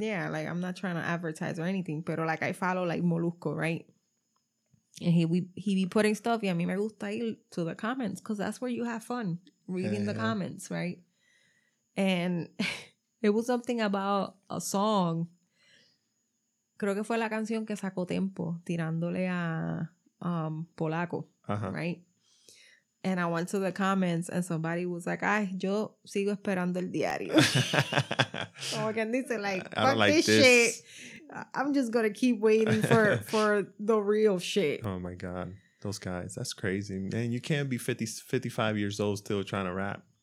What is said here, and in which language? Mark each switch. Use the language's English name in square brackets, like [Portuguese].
[English] Yeah, like I'm not trying to advertise or anything, but like I follow like Molusco, right? And he be putting stuff [Spanish] y a mí me gusta ir [English] to the comments because that's where you have fun reading the comments, right? And it was something about a song. [Spanish] Creo que fue la canción que sacó Tempo, tirándole a Polaco, [English] right? And I went to the comments and somebody was like, [Spanish] ay, yo sigo esperando [English] El Diario. [Spanish] Como quien dice, [English] like, fuck like this shit. I'm just going to keep waiting for the real shit. Oh my God. Those guys, that's crazy. Man, you can't be 55 years old still trying to rap.